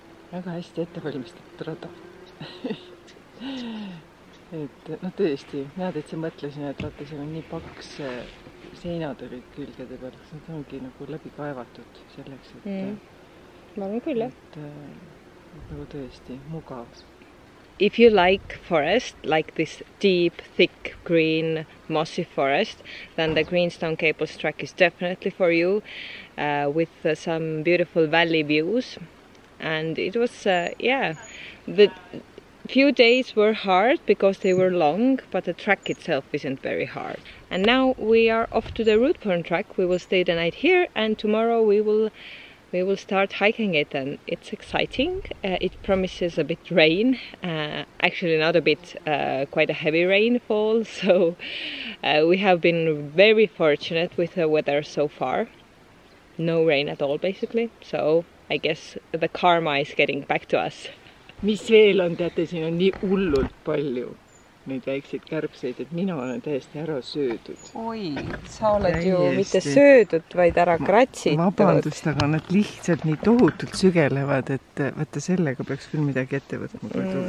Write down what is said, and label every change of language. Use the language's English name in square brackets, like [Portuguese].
[Estonian] Väga hästi ette valmistatud rada. No tõesti, mina teitse mõtlesin, et vaata, see on nii paks seinad olid külgede peal. See ongi nagu läbi kaevatud selleks, et... Ma olen küll, jah. Nagu tõesti, mugav. [English] If you like forest, like this deep, thick, green, mossy forest, then the Greenstone Caples track is definitely for you, with some beautiful valley views. And it was, the few days were hard because they were long, but the track itself isn't very hard. And now we are off to the Routeburn track. We will stay the night here and tomorrow we will start hiking it. And it's exciting. It promises a bit rain, actually not a bit, quite a heavy rainfall. So we have been very fortunate with the weather so far. No rain at all, basically. So. I guess the karma is getting back to us. [Estonian] Mis veel on, teate, siin on nii hullult palju neid väiksid kärbseid, et mina olen täiesti ära söödud. Oi, sa oled ju mitte söödud, vaid ära kratsitud. Vabandust, aga nad lihtsalt nii tohutult sügelevad, et võtta sellega peaks küll midagi ette võtma.